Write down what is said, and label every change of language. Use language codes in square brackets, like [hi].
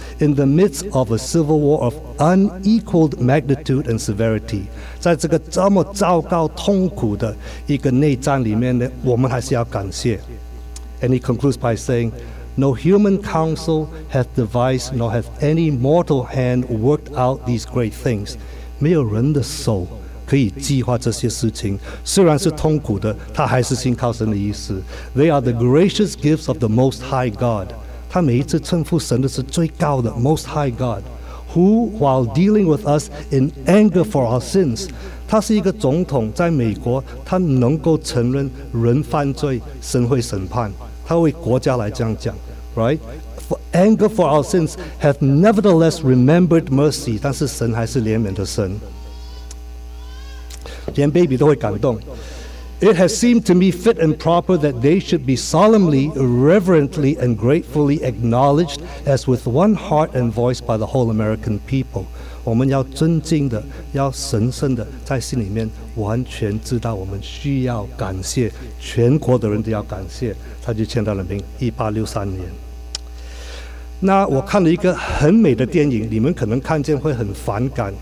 [en] In the midst of a civil war of unequaled magnitude and severity， [zh] 在这个这么糟糕、痛苦的一个内战里面呢，我们还是要感谢。 [en] And he concludes by saying， No human counsel hath devised， nor hath any mortal hand worked out these great things。 [zh] 没有人的手可以计划这些事情，虽然是痛苦的，他还是信靠神的意思。 [en] They are the gracious gifts of the Most High God. [zh] 他每一次称呼神的是最高的 [en] Most High God, who, while dealing with us in anger for our sins, [zh] 他是一个总统，在美国，他能够承认人犯罪，神会审判，他为国家来这样讲 ，right? [en] For anger for our sins hath nevertheless remembered mercy. [zh] 但是神还是怜悯的神。连 baby 都会感动。 [en] It has seemed to me fit and proper that they should be solemnly, reverently, and gratefully acknowledged as with one heart and voice by the whole American people. [zh] 我们要尊敬的，要神圣的，在心里面完全知道我们需要感谢，全国的人都要感谢。他就签到了名，1863年。那我看了一个很美的电影，你们可能看见会很反感。